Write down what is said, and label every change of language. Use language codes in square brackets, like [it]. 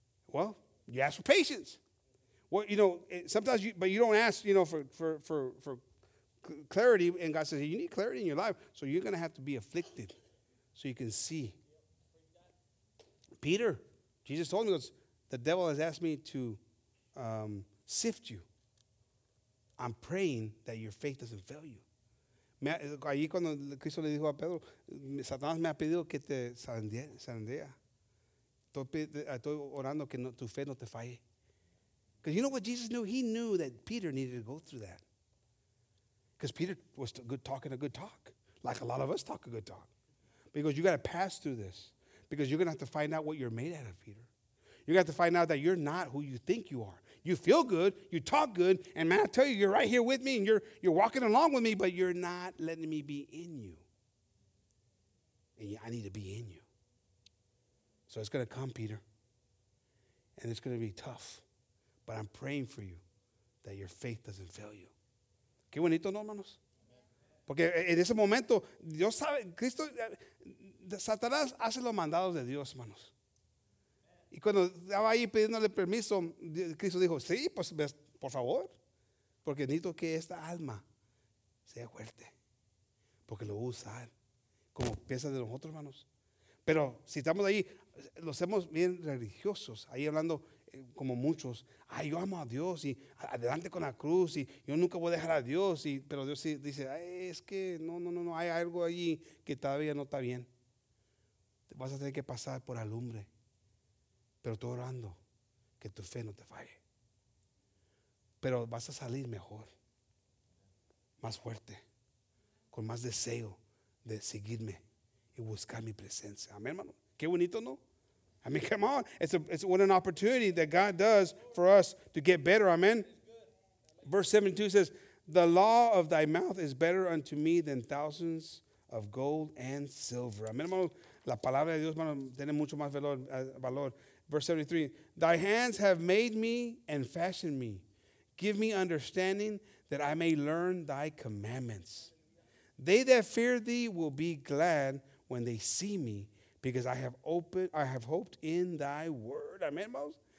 [en] Well, you ask for patience. Well, you know, sometimes you don't ask, you know, for clarity, and God says, hey, you need clarity in your life, so you're going to have to be afflicted so you can see. Peter, Jesus told him, he goes, the devil has asked me to sift you. I'm praying that your faith doesn't fail you. [es] Allí cuando Cristo le dijo a Pedro, Satanás me ha pedido que te sandea. Estoy orando que tu fe no te falle. [en] Because you know what Jesus knew? He knew that Peter needed to go through that. Because Peter was talking a good talk, like a lot of us talk a good talk. Because you got to pass through this. Because you're going to have to find out what you're made out of, Peter. You got to find out that you're not who you think you are. You feel good, you talk good, and man, I tell you, you're right here with me, and you're walking along with me, but you're not letting me be in you. And I need to be in you. So it's going to come, Peter, and it's going to be tough, but I'm praying for you that your faith doesn't fail you. [es] Qué bonito, ¿no, hermanos? Porque en ese momento, Dios sabe, Cristo, Satanás hace los mandados de Dios, hermanos. Y cuando estaba ahí pidiéndole permiso, Cristo dijo, sí, pues, por favor. Porque necesito que esta alma sea fuerte. Porque lo voy a usar como pieza de nosotros, hermanos. Pero si estamos ahí, lo hacemos bien religiosos. Ahí hablando como muchos. Ay, yo amo a Dios y adelante con la cruz. Y yo nunca voy a dejar a Dios. Y, pero Dios sí dice, ay, es que no. Hay algo allí que todavía no está bien. Te vas a tener que pasar por alumbre. Pero estoy orando que tu fe no te falle. Pero vas a salir mejor, más fuerte, con más deseo de seguirme y buscar mi presencia. Amén, hermano. Qué bonito, ¿no? [en] I mean, come on. It's what an opportunity that God does for us to get better. Amén. Verse 72 says, the law of thy mouth is better unto me than thousands of gold and silver. [es] Amén, hermano. La palabra de Dios, hermano, tiene mucho más valor. [en] Verse 73, thy hands have made me and fashioned me. Give me understanding that I may learn thy commandments. They that fear thee will be glad when they see me, because I have hoped in thy word. Amen, Moses.